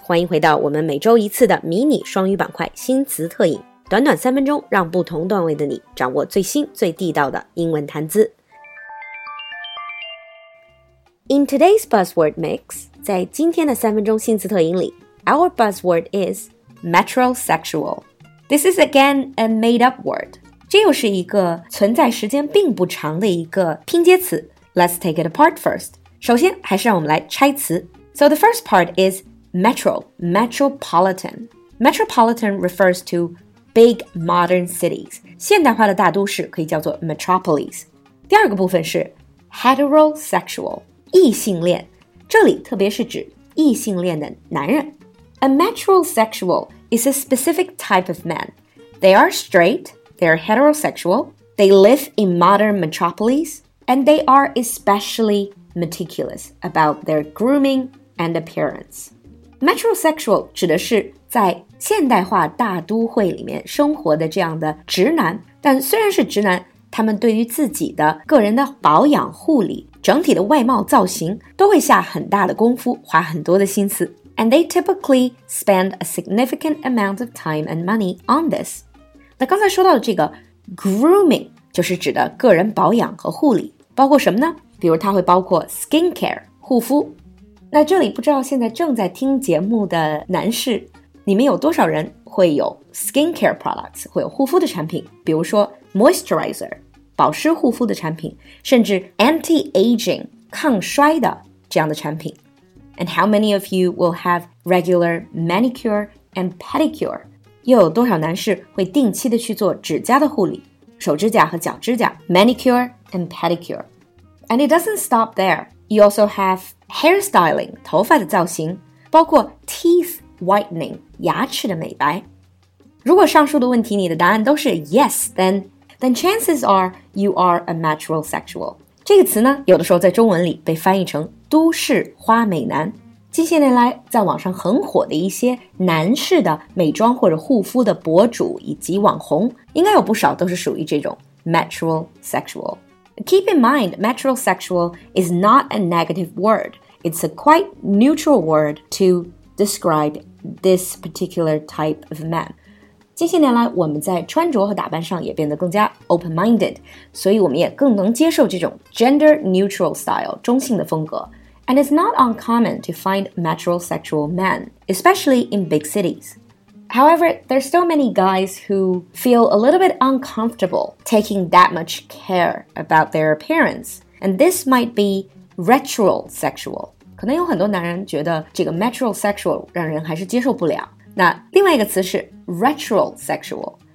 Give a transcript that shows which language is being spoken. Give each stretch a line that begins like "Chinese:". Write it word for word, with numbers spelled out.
Chinese: 欢迎回到我们每周一次的迷你双语板块新词特饮。短短三分钟，让不同段位的你掌握最新最地道的英文谈资。
English: In today's Buzzword Mix, 在今天的三分钟新词特饮里 our buzzword is metrosexual. This is again a made-up word.
Chinese: 这又是一个存在时间并不长的一个拼接词。
English: Let's take it apart first. 首先还是让我们来拆词 So the first part is metro, metropolitan. Metropolitan refers to big modern cities.
Chinese: 现代化的大都市可以叫做 metropolis. 第二个部分是 heterosexual, 异性恋。这里特别是指异性恋的男人。
English: A metrosexual is a specific type of man. They are straight, they are heterosexual, they live in modern metropolis, and they are especially... meticulous about their grooming and appearance.
Chinese: Metrosexual 指的是在现代化大都会里面生活的这样的直男，但虽然是直男，他们对于自己的个人的保养护理，整体的外貌造型都会下很大的功夫，花很多的心思。
English: And they typically spend a significant amount of time and money on this.
Chinese: 那刚才说到的这个 grooming 就是指的个人保养和护理，包括什么呢？比如它会包括 skincare 护肤。那这里不知道现在正在听节目的男士，你们有多少人会有 skincare products， 会有护肤的产品，比如说 moisturizer 保湿护肤的产品，甚至 anti-aging 抗衰的这样的产品。
English: And how many of you will have regular manicure and pedicure？
Chinese: 又有多少男士会定期的去做指甲的护理，手指甲和脚指甲 manicure and pedicure。
English: And it doesn't stop there. You also have hairstyling, 头发的造型，包括 teeth whitening, 牙齿的美白。如果上述的问题你的答案都是 yes, then, then chances are you are a metrosexual.
Chinese: 这个词呢，有的时候在中文里被翻译成都市花美男。近些年来，在网上很火的一些男士的美妆或者护肤的博主以及网红，应该有不少都是属于这种 metrosexual.
English: Keep in mind, metrosexual is not a negative word. It's a quite neutral word to describe this particular type of man.
Chinese: 近些年来，我们在穿着和打扮上也变得更加 open-minded, 所以我们也更能接受这种 gender-neutral style, 中性的风格。
English: And it's not uncommon to find metrosexual men, especially in big cities. However, there's so many guys who feel a little bit uncomfortable taking that much care about their appearance, and this might be retrosexual.
Chinese: 可能有很多男人觉得这个 metrosexual 让人还是接受不了。那另外一个词是 retrosexual.